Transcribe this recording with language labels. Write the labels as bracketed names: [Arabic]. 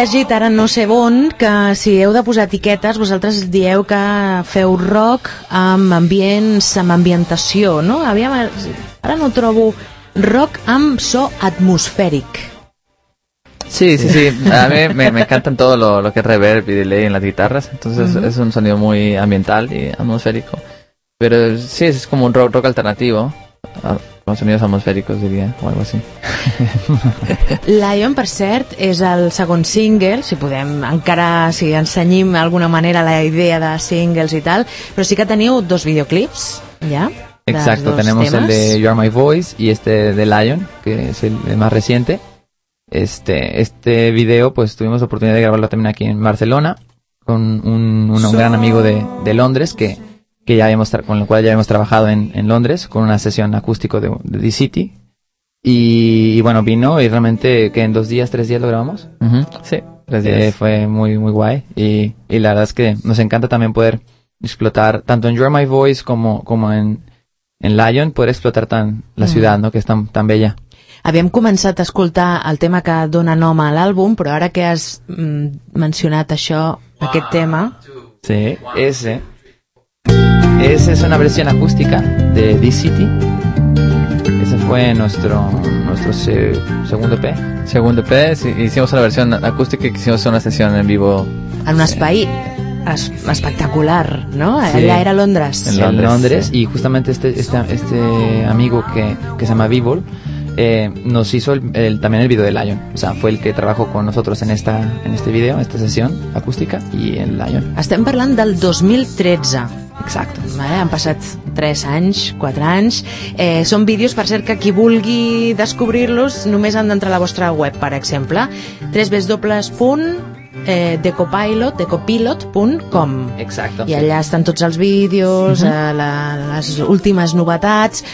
[Catalan] Ara no sé on, que si heu de posar etiquetes, vosaltres dieu que feu rock amb ambients, amb ambientació, no? Aviam, ara no trobo rock amb so atmosfèric. Sí. [Spanish] A mi me encantan todo lo que es reverb y delay en las guitarras, entonces es un sonido muy ambiental y atmosférico. Pero sí, es como un rock alternativo, con sonidos atmosféricos, diría, o algo así. [Catalan] Lion, per cert, és el segon single, si podem encara, si ensenyim d'alguna manera la idea de singles i tal, però sí que teniu dos videoclips, ja? [Spanish] Exacto, tenemos [Catalan] temes. [Spanish] El de You Are My Voice y este de Lion, que es el más reciente. Este video, pues tuvimos la oportunidad de grabarlo también aquí en Barcelona, con un gran amigo de Londres, que ya habíamos con el cual ya habíamos trabajado en Londres con una sesión acústico de The City y bueno, vino y realmente que en tres días lo grabamos. Uh-huh. Sí, tres días. Fue muy muy guay y la verdad es que nos encanta también poder explotar tanto en You Are My Voice como en Lion, poder explotar tan la ciudad, ¿no? Que es tan bella. [Catalan] Havíem començat a escoltar el tema que dona nom a l'àlbum, però ara que has mencionat això, aquest tema. [Spanish] Sí, ese. Esa es una versión acústica de This City. Ese fue nuestro segundo EP. Segundo EP, sí, hicimos una versión acústica y hicimos una sesión en vivo. [Catalan] En un espai espectacular, ¿no? [Spanish] Sí. Allá era Londres. En Londres, sí. Y justamente este amigo que se llama Vivol nos hizo también el video de Lion. O sea, fue el que trabajó con nosotros en este video, en esta sesión acústica y en Lion. [Catalan] Estem parlant del 2013. [Spanish] Exacto. [Catalan] Vale, han passat 3 anys, 4 anys. Són vídeos, per cert, que qui vulgui descobrir-los només han d'entrar a la vostra web, per exemple. 3w.lion.com Decopilot, decopilot.com. Exacte. I allà estan tots els vídeos, les últimes novetats.